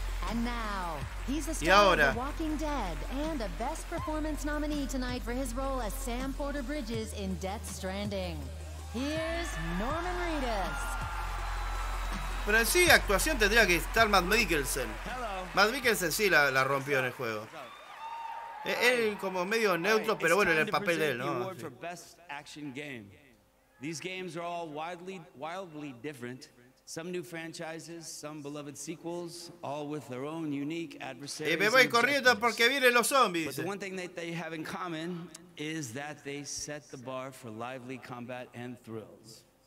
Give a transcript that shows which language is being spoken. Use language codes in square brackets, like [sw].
[en] And now, he's a star of The Walking Dead and a best performance nominee tonight for his role as Sam Porter Bridges in Death Stranding. Here's Norman Reedus. [es] Pero en sí, actuación tendría que estar Matt Mikkelsen. Matt Mikkelsen sí la rompió en el juego. Él como medio neutro, pero bueno, en el papel de él, ¿no? Sí. [en] These games are all wildly different. Some new franchises, some beloved sequels, all with their own unique adversaries. [es] Me voy corriendo porque vienen los zombies. [en] But the one thing that they have in common is that they set the bar for lively combat and thrills.